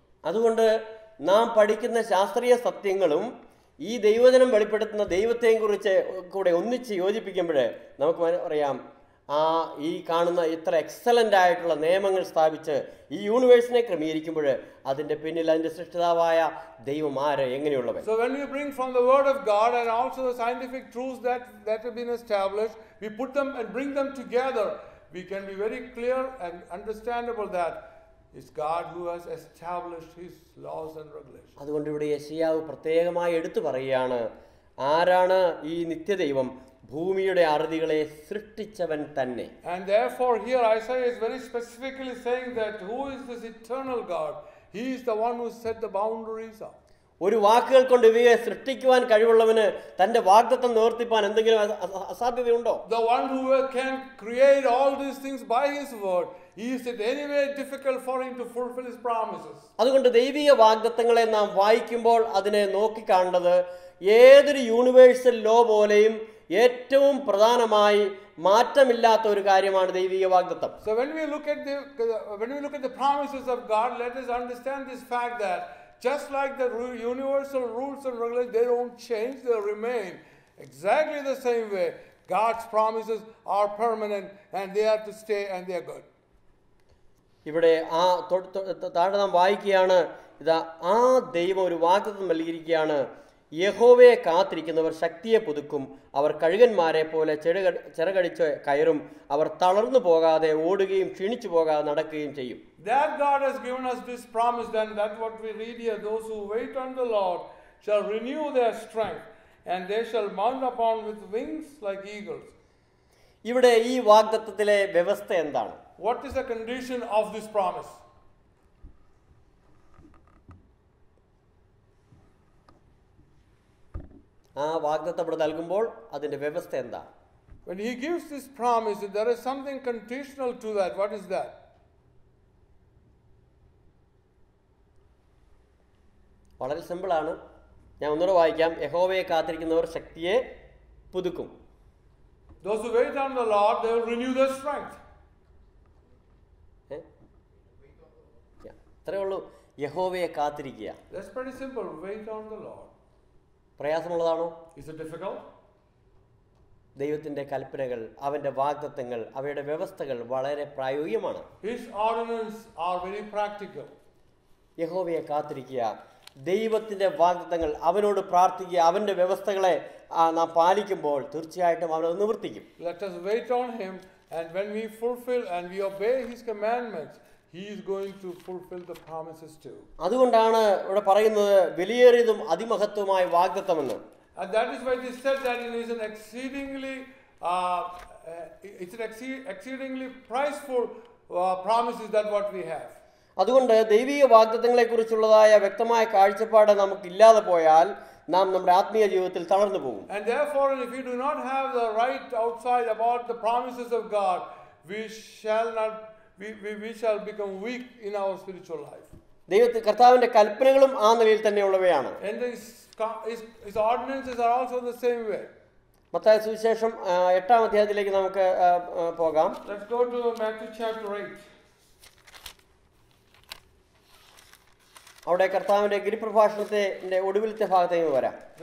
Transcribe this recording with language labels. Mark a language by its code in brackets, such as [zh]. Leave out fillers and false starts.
[ml] അതുകൊണ്ട് നാം പഠിക്കുന്ന ശാസ്ത്രീയ സത്യങ്ങളും ഈ ദൈവജനം വെളിപ്പെടുത്തുന്ന ദൈവത്തെയും കുറിച്ച് കൂടെ ഒന്നിച്ച് യോജിപ്പിക്കുമ്പോൾ നമുക്ക് പറയാം, ആ ഈ കാണുന്ന ഇത്ര എക്സലൻ്റ് ആയിട്ടുള്ള നിയമങ്ങൾ സ്ഥാപിച്ച് ഈ യൂണിവേഴ്സിനെ ക്രമീകരിക്കുമ്പോൾ അതിൻ്റെ പിന്നിൽ അതിൻ്റെ സൃഷ്ടിതാവായ ദൈവം ആര് എങ്ങനെയുള്ളവൻ. [en] So when we bring from the word of God and also the scientific truths that have been established, we put them and bring them together, we can be very clear and understandable that it's God who has established his laws and regulations. [ml] അതുകൊണ്ട് ഇവിടെ യെശയ്യാവ് പ്രത്യേകമായി എടുത്തു പറയുകയാണ് ആരാണ് ഈ നിത്യദൈവം, ഭൂമിയുടെ അറുതികളെ സൃഷ്ടിച്ചവൻ തന്നെ. [en] And therefore here Isaiah is very specifically saying that who is this eternal God? He is the one who set the boundaries up. [ml] ഒരു വാക്കുകൾ കൊണ്ട് ഇവയെ സൃഷ്ടിക്കുവാൻ കഴിവുള്ളവന് തന്റെ വാഗ്ദത്തം നിവർത്തിപ്പാൻ എന്തെങ്കിലും അസാധ്യതയുണ്ടോ? [en] The one who can create all these things by his word, is it anyway difficult for him to fulfill his promises? [ml] അതുകൊണ്ട് ദൈവീയ വാഗ്ദത്തങ്ങളെ നാം വായിക്കുമ്പോൾ അതിനെ നോക്കി കാണുന്നത് ഏതൊരു യൂണിവേഴ്സൽ ലോ പോലെയും ഏറ്റവും പ്രധാനമായി മാറ്റമില്ലാത്ത ഒരു കാര്യമാണ് ദൈവീയ വാഗ്ദത്തം. [en] So when we look at the promises of God, let us understand this fact that just like the universal rules and regulations, they don't change, they remain exactly the same way. God's promises are permanent and they have to stay and they are good. [ml] ഇവിടെ ആ താഴെ നാം വായിക്കുകയാണ്, ഇതാ ആ ദൈവം ഒരു വാഗ്ദത്തം നൽകിയിരിക്കുകയാണ്, യഹോവയെ കാത്തിരിക്കുന്നവർ ശക്തിയെ പുതുക്കും, അവർ കഴുകന്മാരെ പോലെ ചിറകടിച്ച് കയറും, അവർ തളർന്നു പോകാതെ ഓടുകയും ക്ഷീണിച്ചു പോകാതെ നടക്കുകയും ചെയ്യും. [en] That God has given us this promise, then that what we read here, those who wait on the Lord shall renew their strength and they shall mount upon with wings like eagles. [ml] ഇവിടെ ഈ വാഗ്ദത്തത്തിലെ വ്യവസ്ഥ എന്താണ്? [en] What is the condition of this promise? [ml] ആ വാഗ്ദത്തം ഇവിടെ നൽകുമ്പോൾ അതിന്റെ വ്യവസ്ഥ എന്താ? [en] When he gives this promise, there is something conditional to that. What is that? [ml] വളരെ സിമ്പിൾ ആണ്, ഞാൻ ഒന്നുകൂടെ വായിക്കാം. യഹോവയെ കാത്തിരിക്കുന്നവർ ശക്തിയെ പുതുക്കും. [en] Those who wait on the Lord, they will renew their strength. [ml] അത്രേ ഉള്ളൂ, യഹോവയെ കാത്തിരിക്കുക. [en] That's pretty simple. Wait on the Lord. [ml] പ്രയാസമുള്ളതാണോ? [en] Is it difficult? [ml] ദൈവത്തിന്റെ കൽപ്പനകൾ, അവന്റെ വാഗ്ദത്തങ്ങൾ, അവയുടെ വ്യവസ്ഥകൾ വളരെ പ്രായോഗികമാണ്. [en] His ordinances are very practical. [ml] യഹോവയെ കാത്തിരിക്കുക, ദൈവത്തിന്റെ വാഗ്ദത്തങ്ങൾ, അവനോട് പ്രാർത്ഥിക്കുക, അവന്റെ വ്യവസ്ഥകളെ നാം പാലിക്കുമ്പോൾ തീർച്ചയായിട്ടും അവനത് നിവർത്തിക്കും. [en] Let us wait on him, and when we fulfill and we obey his commandments, he is going to fulfill the promises too. [ml] അതുകൊണ്ടാണ് ഇവിടെ പറയുന്നത് വലിയേറിയതും അതിമഹത്വമായ വാഗ്ദത്തം എന്ന്. [en] And that is why they said that it is an exceedingly priceful promises that what we have. [ml] അതുകൊണ്ട് ദൈവീയ വാഗ്ദത്തങ്ങളെ കുറിച്ചുള്ളതായ വ്യക്തമായ കാഴ്ചപ്പാട് നമുക്ക് ഇല്ലാതെ പോയാൽ നാം നമ്മുടെ ആത്മീയ ജീവിതത്തിൽ തളർന്നു പോകും. [en] And therefore if we do not have the right outside about the promises of God, we shall become weak in our spiritual life. [ml] ദൈവത്തിന്റെ കർത്താവിന്റെ കൽപ്പനകളും ആ നിലയിൽ തന്നെ ഉള്ളവയാണ്. [en] And his ordinances are also the same way. [ml] Mathai സുവിശേഷം 8-ാം അധ്യായത്തിലേക്ക് നമുക്ക് പോകാം. [en] Let's go to Matthew chapter 8. [ml] അവിടെ കർത്താവിന്റെ ഗിരിപ്രഭാഷണത്തിന്റെ ഒടുവിലത്തെ ഭാഗത്തേക്ക് വരാം.